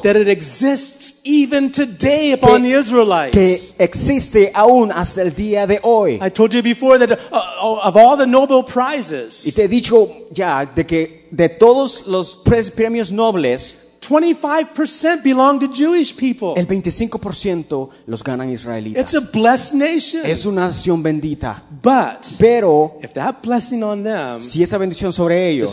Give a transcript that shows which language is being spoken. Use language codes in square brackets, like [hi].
[en] That it exists even today upon the Israelites. [es] Que existe aún hasta el día de hoy. [en] I told you before that of all the Nobel Prizes. [es] Y te he dicho ya de que de todos los premios nobles, [en] 25% belong to Jewish people. [es] El 25% los ganan israelitas. [en] It's a blessed nation. [es] Es una nación bendita. [en] But [es] pero [en] if that blessing on them [es] si esa bendición sobre ellos